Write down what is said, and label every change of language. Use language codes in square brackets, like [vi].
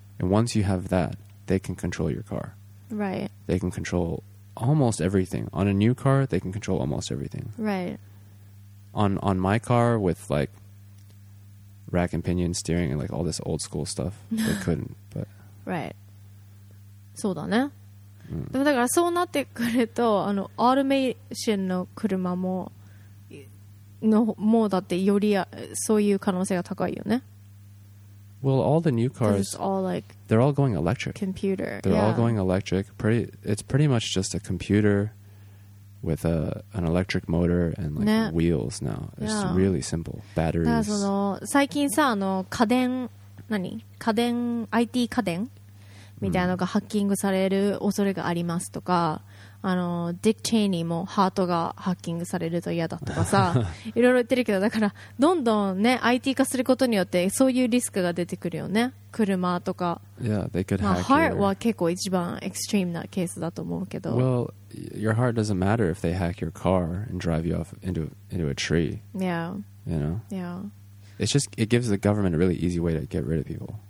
[en] And once you have that, they can control your car. Right. They can control almost everything. On a new car, they can control almost everything. Right. On my car with like rack and pinion steering and like all this old school stuff, they couldn't. But [ja] right. そうだね。でもだからそうなってくるとあのオートメーションの車もだってよりそういう可能性が高いよね。 [en] Well, all the new cars, they're all going electric. Computer. They're all going electric. It's pretty much just a computer with an electric motor and like wheels now. It's really simple. Batteries. [ja] だからその最近さ、あの家電、何？家電、IT 家電みたいなのがハッキングされる恐れがありますとか、あのディック・チェイニーもハートがハッキングされると嫌だとかさ、いろいろ言ってるけど、だからどんどんね、IT 化することによってそういうリスクが出てくるよね、車とか。 [en] Yeah, they could hack your... [ja] heart は結構一番エクストリームなケースだと思うけど。 [en] Well, your heart doesn't matter if they hack your car and drive you off into a tree. Yeah. You know? Yeah. It's just, it gives the government a really easy way to get rid of people.